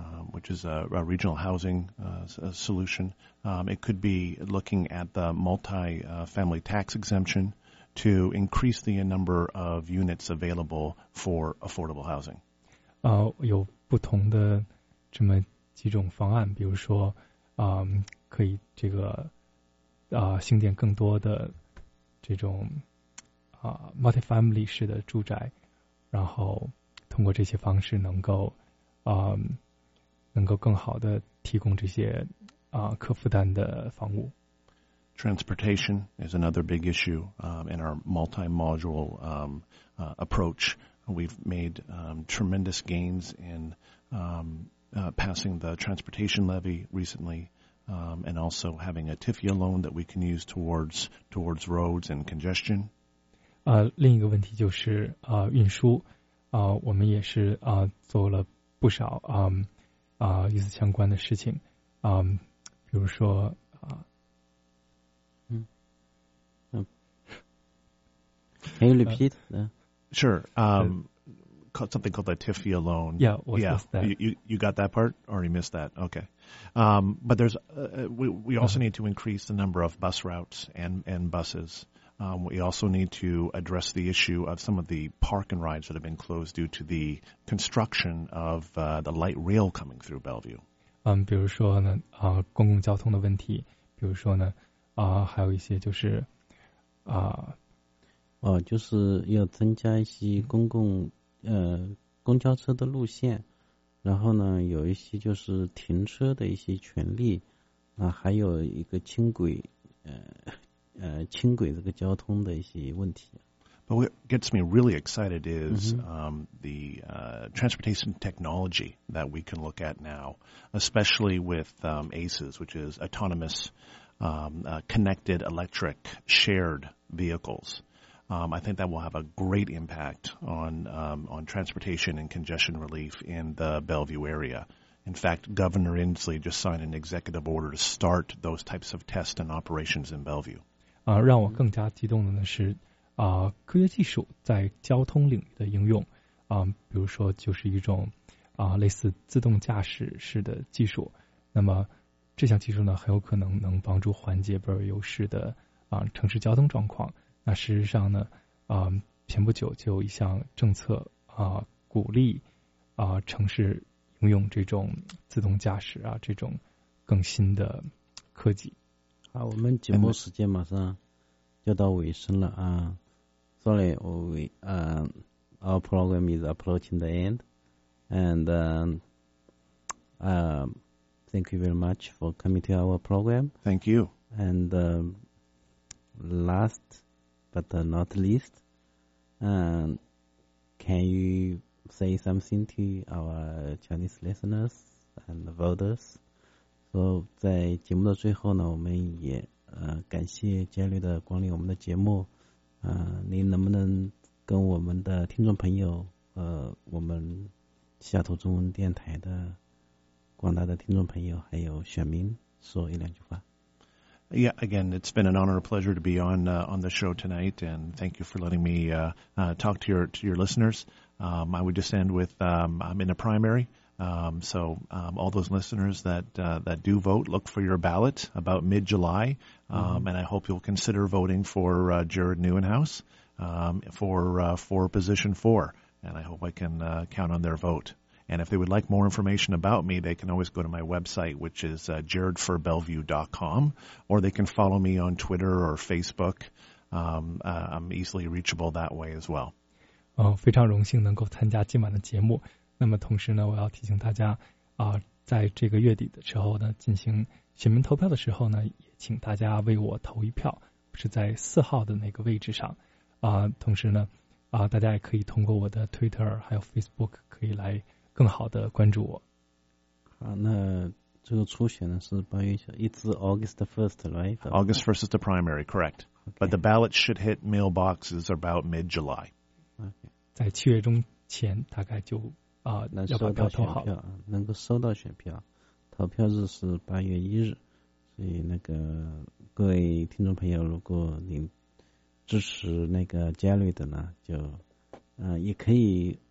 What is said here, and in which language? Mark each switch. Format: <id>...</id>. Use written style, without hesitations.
<en>Which is a regional housing solution. It could be looking at the multi-family tax exemption to increase the number of units available for affordable housing?</en> <zh>有不同的这么几种方案，比如说，可以这个兴建更多的这种multifamily 式的住宅，然后通过这些方式能够更好的提供这些可负担的房屋。</zh> <en>Transportation is another big issue in our multi-module approach. We've made tremendous gains in passing the transportation levy recently, and also having a TIFIA loan that we can use towards roads and congestion.</en> <zh>另一个问题就是运输，我们也是做了不少与此相关的事情，比如说</zh> <en>Can you repeat? Sure. Something called the TIFIA loan. Yeah, what's that? You got that part? Or you missed that? Okay. But there's, we also need to increase the number of bus routes and buses. We also need to address the issue of some of the park and rides that have been closed due to the construction of the light rail coming through Bellevue.</en> <zh>比如说呢，公共交通的问题，比如说呢，还有一些就是，就是要增加一些公共公交车的路线，然后呢有一些就是停车的一些权利还有一个轻轨轻轨这个交通的一些问题。</zh> <en>But what gets me really excited is the transportation technology that we can look at now, especially with ACES, which is autonomous connected electric shared vehicles. I think that will have a great impact on transportation and congestion relief in the Bellevue area. In fact, Governor Inslee just signed an executive order to start those types of tests and operations in Bellevue.</en> <zh>让我更加激动的呢是科学技术在交通领域的应用比如说就是一种类似自动驾驶式的技术。那么这项技术呢很有可能能帮助缓解不尔优势的城市交通状况。那事实上呢前不久就有一项政策鼓励城市应用这种自动驾驶这种更新的科技。好，我们节目时间马上就到尾声了</zh> <en>Sorry, our program is approaching the end, and thank you very much for coming to our program. Thank you. And last,But not least, can you say something to our Chinese listeners and voters?</en> <zh>So, 在节目的最后呢，我们也感谢嘉律的光临我们的节目。您能不能跟我们的听众朋友我们西雅图中文电台的广大的听众朋友还有选民说一两句话？</zh> <en>Yeah, again, it's been an honor and a pleasure to be on the show tonight, and thank you for letting me talk to your listeners. I would just end with I'm in a primary, so all those listeners that do vote, look for your ballot about mid-July, and I hope you'll consider voting for Jared Neuenhaus for position 4, and I hope I can count on their vote. And if they would like more information about me, they can always go to my website, which is jaredforbellevue.com, or they can follow me on Twitter or Facebook. I'm easily reachable that way as well.</en> <zh>非常荣幸能够参加今晚的节目。那么同时呢，我要提醒大家在这个月底的时候呢，进行选民投票的时候呢，也请大家为我投一票，是在四号的那个位置上。同时呢，大家也可以通过我的 Twitter 还有 Facebook 可以来更好的关注我。好，那这个初选呢是八月一号 ，</zh> <en>It's August 1st, right? August 1st is the primary, correct?、 Okay. But the ballot should hit mailboxes about mid-July. Okay,</en> <zh>在七月中前大概就能收到选票，能够收到选票。投票日是八月一日，所以那个各位听众朋友，如果您支持那个 Jerry 的呢，就也可以。</zh>